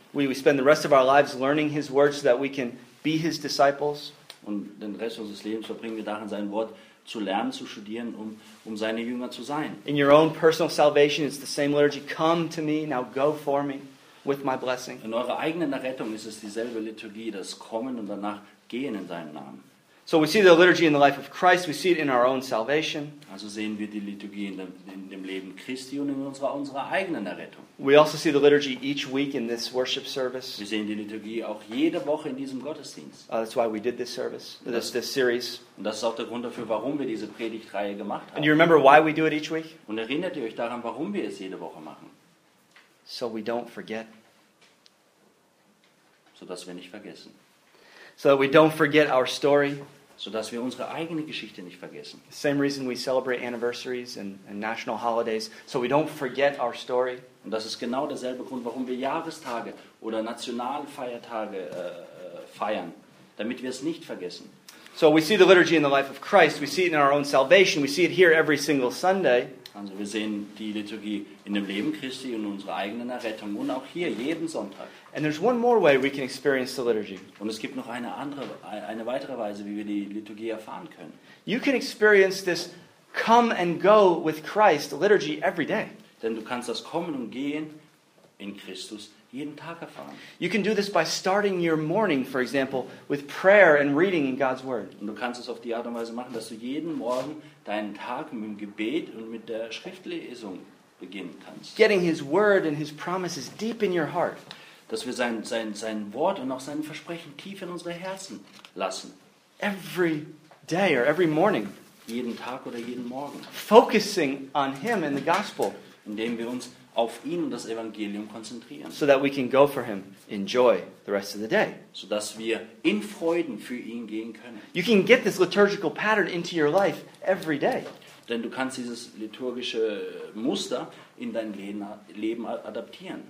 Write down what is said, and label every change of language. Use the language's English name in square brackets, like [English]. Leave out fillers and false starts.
[English] We spend the rest of our lives learning His words so that we can be His disciples. [German] Und den Rest unseres Lebens verbringen wir darin, sein Wort zu lernen, zu studieren, um seine Jünger zu sein. [English] In your own personal salvation, it's the same liturgy. Come to me, now go for me with my blessing. [German] In eurer eigenen Errettung ist es dieselbe Liturgie, das Kommen und danach Gehen in seinem Namen. [English] So we see the liturgy in the life of Christ, we see it in our own salvation. [German] Also sehen wir die Liturgie in dem Leben Christi und in unserer eigenen Errettung. [English] We also see the liturgy each week in this worship service. [German] Wir sehen die Liturgie auch jede Woche in diesem Gottesdienst. [English] That's why we did this service, this series. [German] Und das ist auch der Grund dafür, warum wir diese Predigtreihe gemacht haben. [English] And you remember why we do it each week? [German] Und erinnert ihr euch daran, warum wir es jede Woche machen? [English] So we don't forget. [German] So dass wir nicht vergessen. [English] So that we don't forget our story. [German] So dass wir unsere eigene Geschichte nicht vergessen. [English] Same reason we celebrate anniversaries and national holidays, so we don't forget our story. [German] Und das ist genau derselbe Grund, warum wir Jahrestage oder Nationalfeiertage feiern, damit wir es nicht vergessen. [English] So we see the liturgy in the life of Christ, we see it in our own salvation, we see it here every single Sunday. [German] Also wir sehen die Liturgie in dem Leben Christi und unserer eigenen Errettung und auch hier jeden Sonntag. [English] And there's one more way we can experience the liturgy. [German] Und es gibt noch eine weitere Weise, wie wir die Liturgie erfahren können. [English] You can experience this come and go with Christ liturgy every day. [German] Denn du kannst das Kommen und Gehen in Christus jeden Tag erfahren. [English] You can do this by starting your morning, for example, with prayer and reading in God's Word. [German] Und du kannst es auf die Art und Weise machen, dass du jeden Morgen deinen Tag mit dem Gebet und mit der Schriftlesung beginnen kannst. [English] Getting His Word and His promises deep in your heart. [German] Dass wir sein Wort und auch seine Versprechen tief in unsere Herzen lassen. [English] Every day or every morning. [German] Jeden Tag oder jeden Morgen. [English] Focusing on Him and the Gospel. [German] Indem wir uns auf ihn und das Evangelium konzentrieren. [English] So that we can go for him in joy the rest of the day. [German] So dass wir in Freuden für ihn gehen können. [English] You can get this liturgical pattern into your life every day. [German] Denn du kannst dieses liturgische Muster in dein Leben adaptieren.